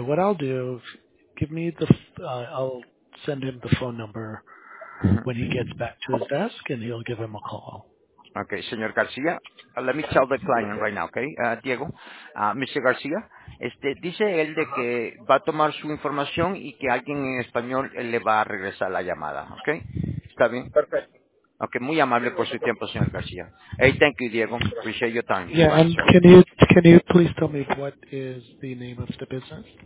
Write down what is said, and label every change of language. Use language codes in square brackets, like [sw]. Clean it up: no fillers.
[en] What I'll do, give me the, I'll send him the phone number when he gets back to his desk, and he'll give him a call. Okay, Señor García, let me tell the client right now, okay, Diego. Mr. [es] García, dice él de que va a tomar su información y que alguien en español le va a regresar la llamada, okay? ¿Está bien? Perfecto. Okay, muy amable por su tiempo, Señor García. [en] Hey, thank you, Diego. Appreciate your time. Yeah, and can you please tell me what is the name of the business?